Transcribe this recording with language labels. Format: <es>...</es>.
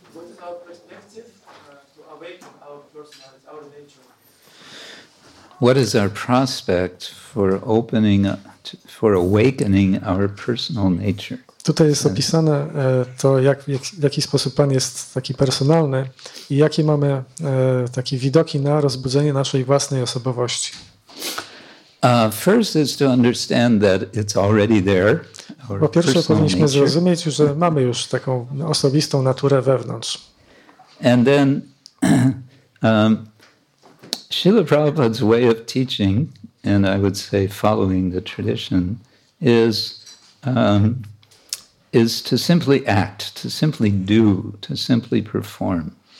<en>What is our perspective to awaken our personality, our nature? What is our prospect for opening up, for awakening our personal nature?</en> <pl>Tutaj jest opisane to, w jaki sposób Pan jest taki personalny i jakie mamy takie widoki na rozbudzenie naszej własnej osobowości.</pl> <en>First is to understand that it's already there.</en> <pl>Po pierwsze, powinniśmy zrozumieć, że mamy już taką osobistą naturę wewnątrz.</pl> <en>And then Śrīla Prabhupāda's way of teaching, and I would say following the tradition, is to simply act, to simply do, to simply perform.</en>